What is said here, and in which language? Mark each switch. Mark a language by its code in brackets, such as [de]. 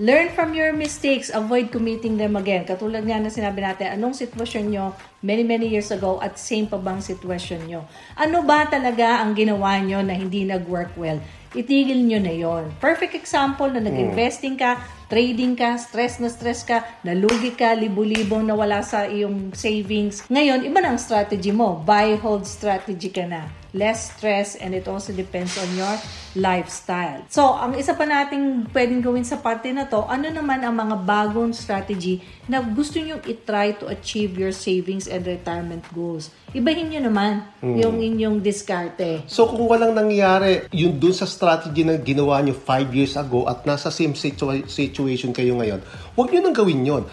[en] Learn from your mistakes. Avoid committing them again. [tl] Katulad nga na sinabi natin, anong sitwasyon nyo many, many years ago at same pa bang sitwasyon nyo? Ano ba talaga ang ginawa nyo na hindi nag-work well? Itigil nyo na yon. Perfect example na nag-investing ka, trading ka, stress ka, nalugi ka, libo-libong nawala sa iyong savings. Ngayon, iba na ang strategy mo. Buy, hold strategy ka na. [en] Less stress, and it also depends on your lifestyle. [tl] So, ang isa pa nating pwedeng gawin sa parte na to, ano naman ang mga bagong strategy na gusto nyo i-try [en] to achieve your savings and retirement goals? [tl] Ibahin nyo naman yung inyong diskarte. So, kung walang nangyari yung dun sa strategy na ginawa nyo 5 years ago at nasa same situation kayo ngayon, huwag nyo nang gawin yon.